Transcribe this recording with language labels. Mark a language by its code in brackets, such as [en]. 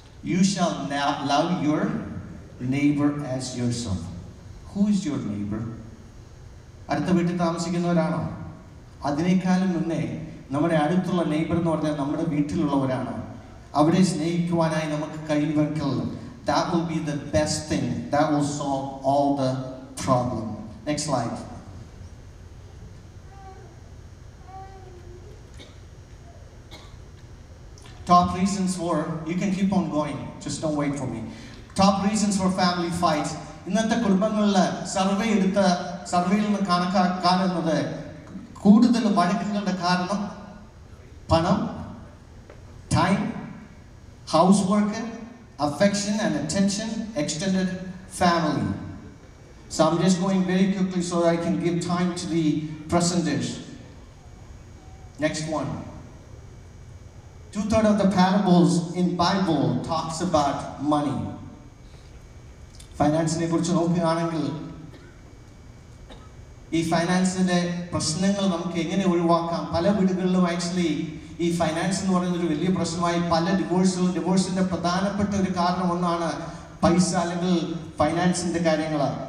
[en] You shall now love your neighbor as yourself. Who is your neighbor? [ml] അടുത്ത വീട്ടിൽ താമസിക്കുന്നവരാണോ? അതിനേക്കാളും മുന്നേ നമ്മുടെ അടുത്തുള്ള നെയ്ബർ എന്ന് പറഞ്ഞാൽ നമ്മുടെ വീട്ടിലുള്ളവരാണോ? അവരെ സ്നേഹിക്കുവാനായി നമുക്ക് കഴിവെക്കൽ. [en] That will be the best thing. That will solve all the problem. Next slide. Top reasons for, you can keep on going, just don't wait for me. Top reasons for family fights. [ml] ഇന്നത്തെ കുടുംബങ്ങളിലെ survey എടുത്ത സർവേയിൽ നിന്ന് കാണുന്നത് കൂടുതൽ വഴക്കങ്ങളുടെ കാരണം പണം, time, house work, [en] affection and attention, [ml] extended family. [en] So I am just going very quickly so I can give time to the presenters. Next one. Two-thirds of the parables in Bible talks about money. [ml] ഫൈനാൻസിനെ കുറിച്ച് നോക്കുകയാണെങ്കിൽ ഈ ഫൈനാൻസിന്റെ പ്രശ്നങ്ങൾ നമുക്ക് എങ്ങനെ ഒഴിവാക്കാം. പല വീടുകളിലും actually ഈ ഫൈനാൻസ് എന്ന് പറയുന്ന ഒരു വലിയ പ്രശ്നമായി പല ഡിവോഴ്സുകളും. ഡിവോഴ്സിന്റെ പ്രധാനപ്പെട്ട ഒരു കാരണം ഒന്നാണ് പൈസ അല്ലെങ്കിൽ ഫൈനാൻസിന്റെ കാര്യങ്ങൾ.